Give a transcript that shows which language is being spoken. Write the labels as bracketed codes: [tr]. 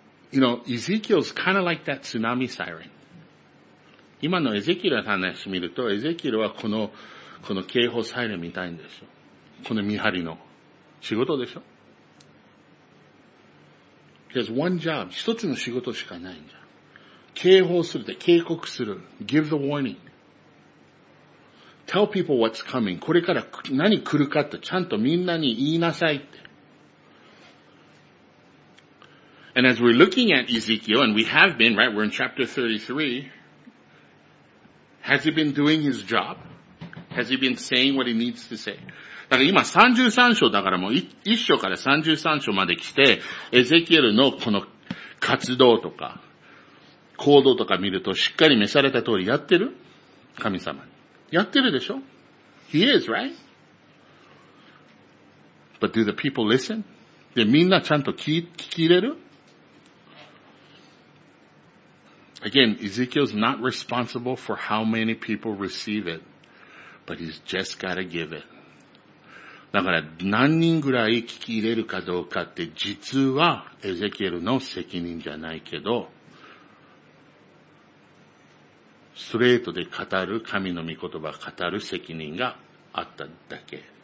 [en] You know, Ezekiel's kind of like that tsunami siren. [ja] 今のエゼキエルの話を見ると、エゼキエルはこの警報サイレンみたいんですよ。この見張りの仕事でしょ。 [en] There's one job, [ja] 一つの仕事しかないんじゃん。警報するって、警告する。 [en] Give the warning. Tell people what's coming. [ja] これから何来るかってちゃんとみんなに言いなさいって。 [en] And as we're looking at Ezekiel, and we have been, right, we're in chapter 33, has he been doing his job? Has he been saying what he needs to say? [ja] だから今33章だからもう1章から33章まで来て、エゼキエルのこの活動とか、行動とか見るとしっかり召された通りやってる？神様に。やってるでしょ？ [en] He is, right? But do the people listen? [ja] で、みんなちゃんと聞き入れる？ [en] Again, Ezekiel's not responsible for how many people receive it, but he's just gotta give it. [ja] だから何人ぐらい聞き入れるかどうかって実はエゼキエルの責任じゃないけど、ストレートで語る神の御言葉を語る責任があっただけ。